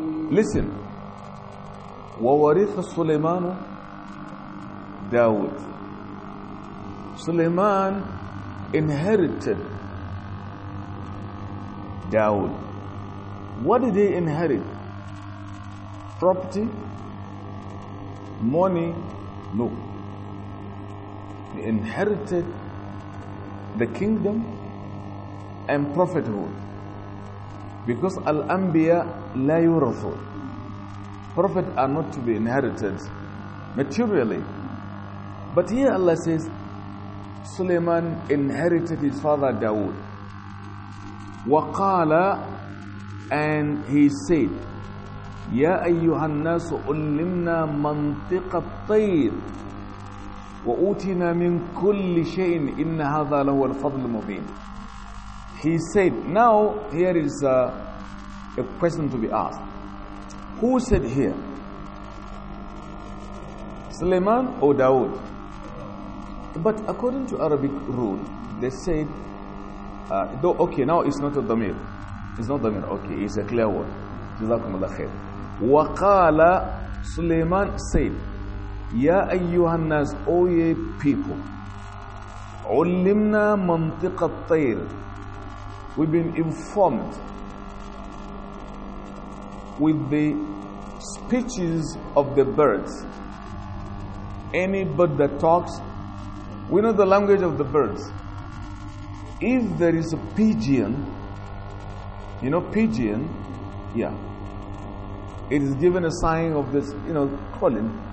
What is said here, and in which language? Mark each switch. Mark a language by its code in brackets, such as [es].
[ar] Listen, وَوَرِثَ سُلَيْمَانُ دَاوُدُ. [en] Suleiman inherited Dawood. What did he inherit? Property? Money? No. He inherited the kingdom and prophethood. Because Al-Anbiya [ar] لا يورثوا. [en] Prophets are not to be inherited materially. But here Allah says, Suleiman inherited his father Dawood. [ar] وَقَالَ, [en] and he said, [ar] يَا أَيُّهَا النَّاسُ أُلِّمْنَا مَنْطِقَ الطَّيْرِ وَأُوتِنَا مِنْ كُلِّ شَيْءٍ إِنَّ هَذَا لَهُ الْفَضْلُ الْمُبِينُ. [en] He said, now here is a question to be asked. Who said here? Suleiman or Dawood? But according to Arabic rule, they said, now it's not a dhamir. It's not dhamir, okay, it's a clear word. Jazakum Allah khair. [ar] وَقَالَ [en] Suleiman said, [ar] يَا أَيُّهَا النَّاسُ, [en] O ye people, [ar] عُلِّمْنَا مَنْطِقَ الطَّيْرِ. [en] We've been informed with the speeches of the birds. Any bird that talks, we know the language of the birds. If there is a pigeon, you know pigeon, yeah, it is given a sign of this, you know, calling.